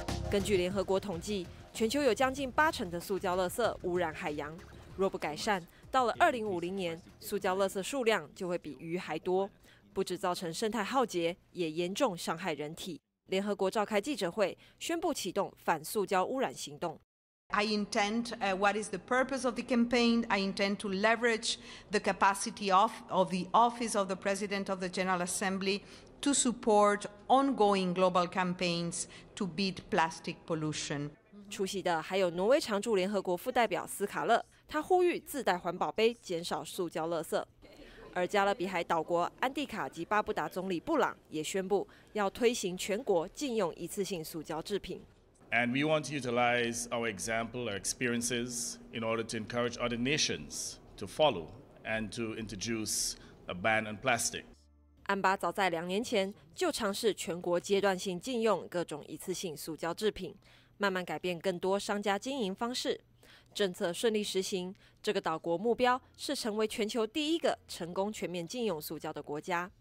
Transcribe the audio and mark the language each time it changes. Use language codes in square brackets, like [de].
[zh] 根据联合国统计，全球有将近80%的塑胶垃圾污染海洋，若不改善，到了2050年，塑胶垃圾数量就会比鱼还多，不只造成生态浩劫，也严重伤害人体。联合国召开记者会，宣布启动反塑胶污染行动。 [en] I intend, what is the purpose of the campaign? I intend to leverage the capacity of the office of the President of the General Assembly to support ongoing global campaigns to beat plastic pollution. [zh] 出席的还有挪威常驻联合国副代表斯卡勒，他呼吁自带环保杯，减少塑胶垃圾。而加勒比海岛国安地卡及巴布达总理布朗也宣布要推行全国禁用一次性塑胶制品。 [en] And we want to utilize our example, our experiences, in order to encourage other nations to follow and to introduce a ban on plastic. [zh] 安巴早在2年前就尝试全国阶段性禁用各种一次性塑胶制品，慢慢改变更多商家经营方式。政策顺利实行，这个岛国目标是成为全球第一个成功全面禁用塑胶的国家。